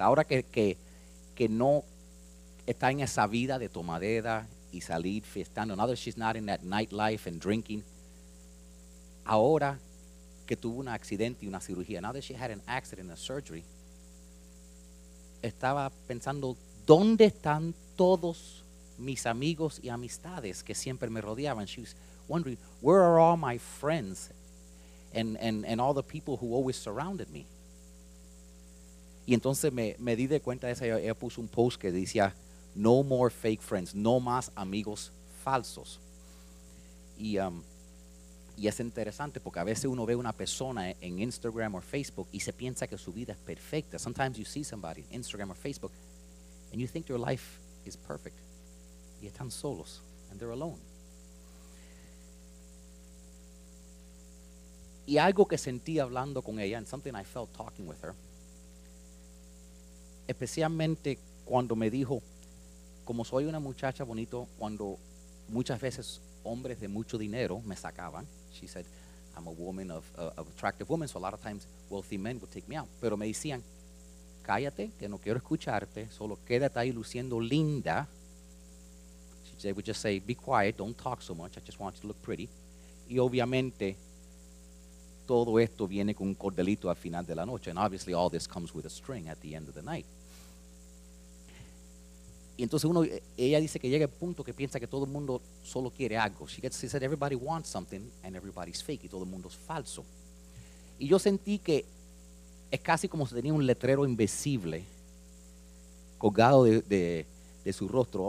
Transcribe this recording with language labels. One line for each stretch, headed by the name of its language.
Spanish: Ahora que no está en esa vida de tomadera y salir fiestando.
English: Now that she's not in that nightlife and drinking.
Spanish: Ahora que tuvo un accidente y una cirugía.
English: Now that she had an accident and a surgery,
Spanish: estaba pensando, ¿dónde están todos mis amigos y amistades que siempre me rodeaban?
English: She was wondering, where are all my friends and all the people who always surrounded me?
Spanish: Y entonces me di de cuenta de esa, ella puso un post que decía,
English: no more fake friends,
Spanish: no más amigos falsos. Y es interesante porque a veces uno ve una persona en Instagram o Facebook y se piensa que su vida es perfecta.
English: Sometimes you see somebody on Instagram or Facebook and you think your life is perfect.
Spanish: Y están solos
English: and they're alone.
Spanish: Y algo que sentí hablando con ella,
English: and something I felt talking with her,
Spanish: especialmente cuando me dijo, como soy una muchacha bonito, cuando muchas veces hombres de mucho dinero me sacaban.
English: She said, I'm a woman of an attractive woman, so a lot of times wealthy men would take me out.
Spanish: Pero me decían, cállate, que no quiero escucharte, solo quédate ahí luciendo linda.
English: They would just say, be quiet, don't talk so much, I just want you to look pretty.
Spanish: Y obviamente, todo esto viene con un cordelito al final de la noche.
English: And obviously, all this comes with a string at the end of the night.
Spanish: Y entonces uno, ella dice que llega el punto que piensa que todo el mundo solo quiere algo.
English: She said everybody wants something and everybody's fake.
Spanish: Y todo el mundo es falso. Y yo sentí que es casi como si tenía un letrero invisible colgado de su rostro.